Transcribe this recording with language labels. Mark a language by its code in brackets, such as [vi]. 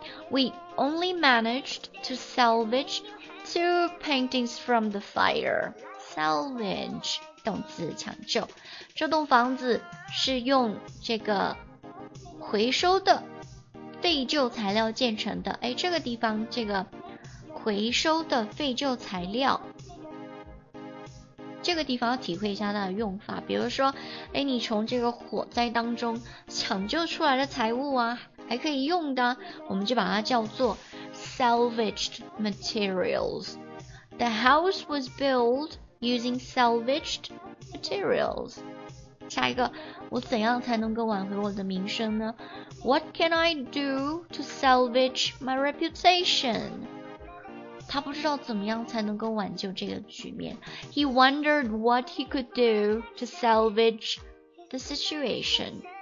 [en] We only managed to salvage two paintings from the fire. [zh] Salvage 动词，抢救。这栋房子是用这个回收的废旧材料建成的，这个地方这个回收的废旧材料，这个地方要体会一下它的用法。比如说你从这个火灾当中抢救出来的财物啊，还可以用的，我们就把它叫做 salvaged materials。 [en] The house was built using salvaged materials。 [zh] 下一个，我怎样才能够挽回我的名声呢？ [en] What can I do to salvage my reputation? [zh] 他不知道怎么样才能够挽救这个局面。 [en] He wondered what he could do to salvage the situation.